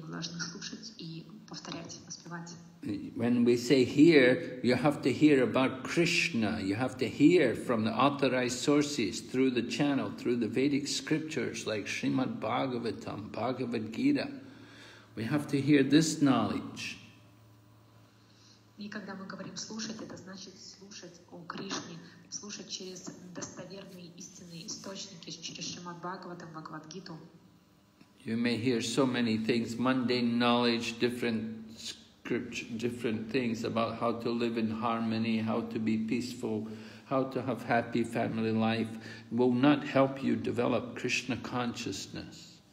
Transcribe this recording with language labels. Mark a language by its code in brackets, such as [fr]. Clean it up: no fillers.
[ru] Мы должны слушать и повторять, воспевать. [en] When we say hear, you have to hear about Krishna. You have to hear from the authorized sources through the channel, through the Vedic scriptures like Srimad Bhagavatam, Bhagavad Gita. We have to hear this knowledge. [ru] И когда мы говорим слушать, это значит слушать о Кришне, слушать через достоверные истинные источники, через Шримад Бхагаватам, Бхагавад Гиту. [en] You may hear so many things, mundane knowledge, different scripture, different things about how to live in harmony, how to be peaceful, how to have happy family life, will not help you develop Krishna consciousness.